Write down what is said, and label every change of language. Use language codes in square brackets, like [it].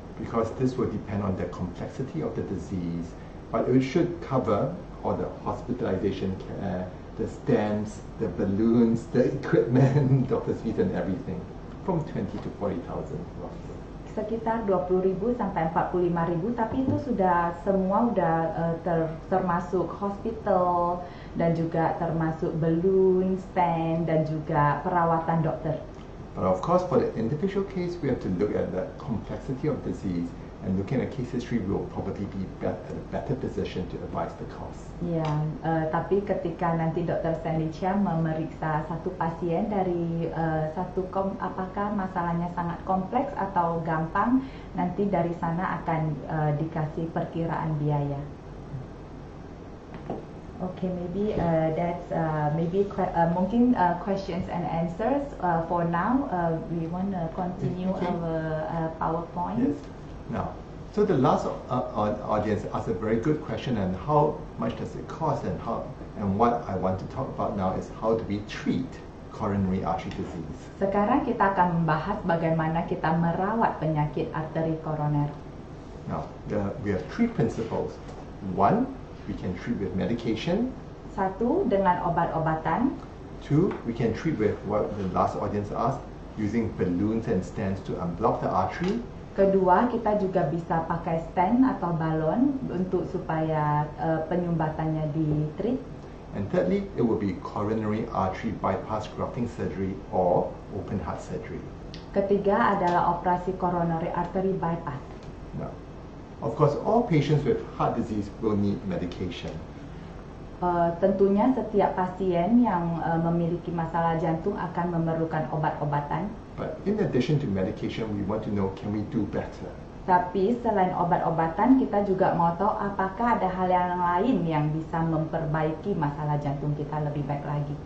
[en] Because this will depend on the complexity of the disease, but it should cover or the hospitalization care, the stents, the balloons, the equipment, doctor's fees and everything, from 20 to 40,000 roughly. [id] Sekitar 20,000 sampai 45,000, tapi itu sudah semua sudah termasuk hospital dan juga termasuk balloon, stent dan juga perawatan dokter. [en] But of course, for the individual case, we have to look at the complexity of disease. And looking at case history, we'll probably be at a better position to advise the cost. [id] Yeah, tapi ketika nanti Dr. Stanicia memeriksa satu pasien dari apakah masalahnya sangat kompleks atau gampang, nanti dari sana akan dikasih perkiraan biaya. [en] Okay, maybe that's maybe mungkin questions and answers for now. We want to continue our PowerPoint. Yes. Now, So the last audience asked a very good question, and how much does it cost, and how, and what I want to talk about now is how do we treat coronary artery disease. [id] Sekarang kita akan membahas bagaimana kita merawat penyakit arteri koroner. [en] Now, we have three principles. One, we can treat with medication. [id] Satu, dengan obat-obatan. [en] Two, we can treat with what the last audience asked, using balloons and stents to unblock the artery. [id] Kedua, kita juga bisa pakai stent atau balon untuk supaya penyumbatannya di-treat. [en] And thirdly, it will be coronary artery bypass grafting surgery or open heart surgery. [id] Ketiga adalah operasi coronary artery bypass. [en] Now, of course, all patients with heart disease will need medication. [id] Tentunya setiap pasien yang memiliki masalah jantung akan memerlukan obat-obatan. [en] But in addition to medication, we want to know, can we do better? [id] Tapi selain obat-obatan, kita juga mau tahu apakah ada hal yang lain yang bisa memperbaiki masalah jantung kita lebih baik lagi.